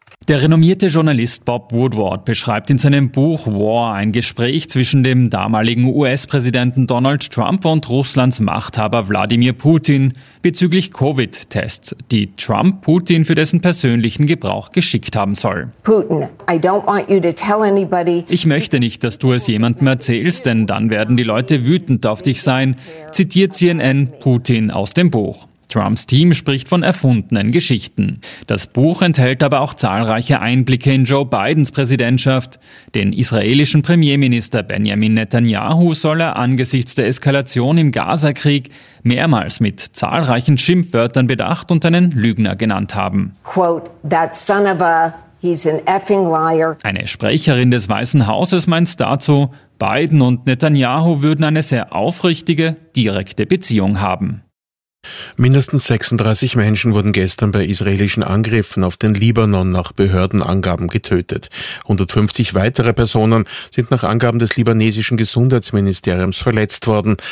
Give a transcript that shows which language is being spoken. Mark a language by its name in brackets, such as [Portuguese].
[German] Der renommierte Journalist Bob Woodward beschreibt in seinem Buch War ein Gespräch zwischen dem damaligen US-Präsidenten Donald Trump und Russlands Machthaber Wladimir Putin bezüglich Covid-Tests, die Trump Putin für dessen persönlichen Gebrauch geschickt haben soll. [English] Putin, I don't want you to tell anybody. [German] Ich möchte nicht, dass du es jemandem erzählst, denn dann werden die Leute wütend auf dich sein, zitiert CNN Putin aus dem Buch. Trumps Team spricht von erfundenen Geschichten. Das Buch enthält aber auch zahlreiche Einblicke in Joe Bidens Präsidentschaft. Den israelischen Premierminister Benjamin Netanyahu soll er angesichts der Eskalation im Gazakrieg mehrmals mit zahlreichen Schimpfwörtern bedacht und einen Lügner genannt haben. [English] Quote, that son of a, he's an effing liar. [German] Eine Sprecherin des Weißen Hauses meint dazu, Biden und Netanyahu würden eine sehr aufrichtige, direkte Beziehung haben. Mindestens 36 Menschen wurden gestern bei israelischen Angriffen auf den Libanon nach Behördenangaben getötet. 150 weitere Personen sind nach Angaben des libanesischen Gesundheitsministeriums verletzt worden.